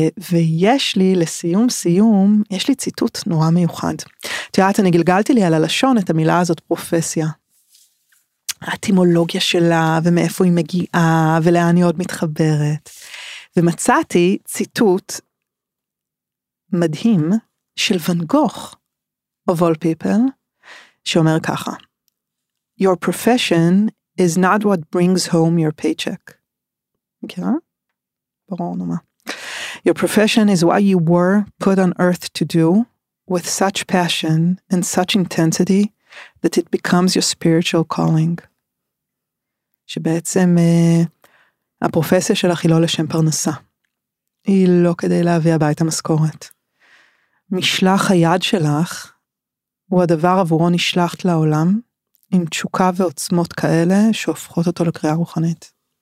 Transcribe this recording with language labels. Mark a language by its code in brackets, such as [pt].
[he] ויש לי לסיום סיום, יש לי ציטוט נורא מיוחד. תראית, אני גלגלתי לי על הלשון את המילה הזאת פרופסיה. האטימולוגיה שלה ומאיפה היא מגיעה ולאן היא עוד מתחברת. ומצאתי ציטוט מדהים של ון גוך, [en] of all people, [he] שאומר ככה, [en] your profession is not what brings home your paycheck. [he] מכירה? ברור נומה. [en] Your profession is what you were put on earth to do with such passion and such intensity that it becomes your spiritual calling. [he] שבעצם הפרופסיה שלך היא לא לשם פרנסה. היא לא כדי להביא הביתה מזכורת. משלח היד שלך הוא הדבר עבורו נשלחת לעולם עם תשוקה ועוצמות כאלה שהופכות אותו לקריאה רוחנית.